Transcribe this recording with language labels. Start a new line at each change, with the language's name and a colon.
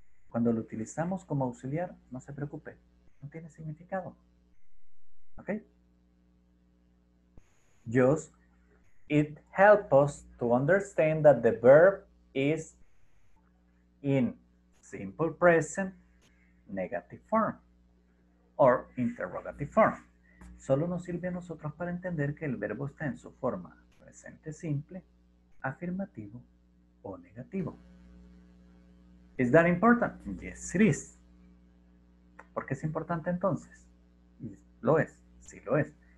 Spanish: Cuando lo utilizamos como auxiliar, no se preocupe. No tiene significado. ¿Ok?
English: Just, it helps us to understand that the verb is in simple present, negative form, or interrogative form.
Spanish: Solo nos sirve a nosotros para entender que el verbo está en su forma presente simple, afirmativo o negativo.
English: Is that important? Yes, it is.
Spanish: ¿Por qué es importante entonces? Lo es. Sí, lo es.